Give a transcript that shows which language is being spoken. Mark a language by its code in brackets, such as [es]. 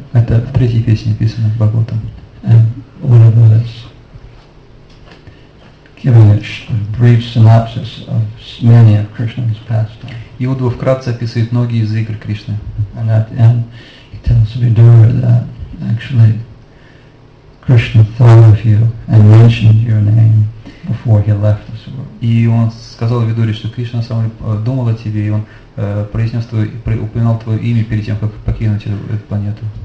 [ru] Это в третьей песне написано Бхагаватам. [en] And Uddhava is giving a brief synopsis of many of Krishna's pastimes. [ru] И Уддхава вкратце описывает многие из игр Кришны. [en] And at the end he tells Vidura that actually Krishna thought of you and mentioned your name before he left this world. [ru] И он сказал Видуре, что Кришна сам думал о тебе, и он произнес твое, упоминал твое имя перед тем, как покинуть эту планету.